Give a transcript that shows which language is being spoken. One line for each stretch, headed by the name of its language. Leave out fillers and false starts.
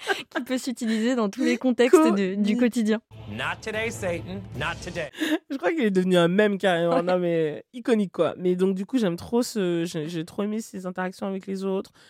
French: Qui peut s'utiliser dans tous les contextes du quotidien.
English: Not today, Satan, not today.
French: Je crois qu'il est devenu un mème carrément. Ouais. Non, mais iconique, quoi. Mais donc, du coup, j'ai trop aimé ses interactions avec les autres.